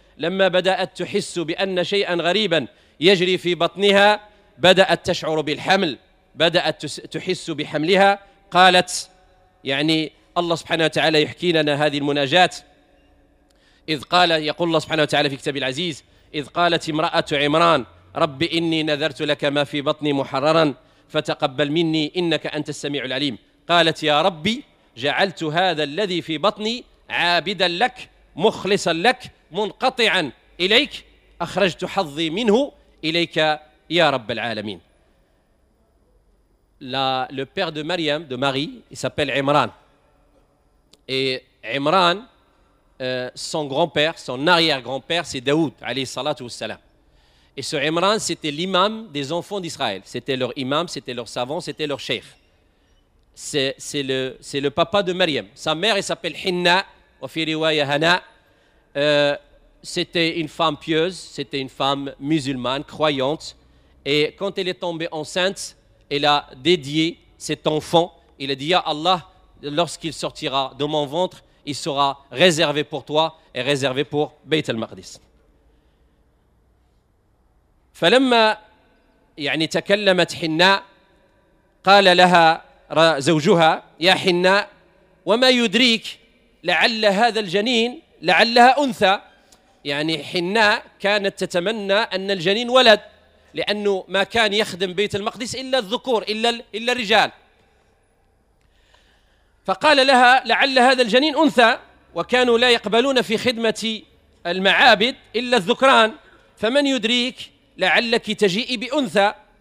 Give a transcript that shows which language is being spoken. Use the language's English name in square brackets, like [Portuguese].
[Arabic] لما بدأت تحس بأن شيئا غريبا يجري في بطنها، بدأت تشعر بالحمل، بدأت تحس بحملها، قالت، يعني الله سبحانه وتعالى يحكي لنا هذه المناجات، إذ قال، يقول الله سبحانه وتعالى في كتاب العزيز: إذ قالت امرأة عمران رب إني نذرت لك ما في بطني محررا فتقبل مني إنك أنت السميع العليم. قالت: يا ربي جعلت هذا الذي في بطني عابدا لك مخلصا لك منقطعا إليك، أخرجت حظي منه إليك يا رب العالمين. [French] Le père de Mariam, de Marie, il s'appelle Imran. Et Imran, son grand-père, son arrière-grand-père, c'est Daoud, alayhi salatu wassalam. Et ce Imran, c'était l'imam des enfants d'Israël. C'était leur imam, c'était leur savant, c'était leur cheikh. C'est le papa de Mariam. Sa mère, elle s'appelle Hinna, ou [Arabic] fi riwaya [French] Hana. C'était une femme pieuse, c'était une femme musulmane, croyante. Et quand elle est tombée enceinte, elle a dédié cet enfant. Il a dit: « Ya Allah, lorsqu'il sortira de mon ventre, il sera réservé pour toi et réservé pour Bayt al-Maqdis. » [Arabic] فلما يعني تكلمت حناء قال لها زوجها: يا حناء وما يدريك لعل هذا الجنين لعلها أنثى. يعني حناء كانت تتمنى أن الجنين ولد، لأنه ما كان يخدم بيت المقدس إلا الذكور، إلا الرجال. فقال لها: لعل هذا الجنين أنثى، وكانوا لا يقبلون في خدمة المعابد إلا الذكران، فمن يدريك لعلك تجيئي بأنثى.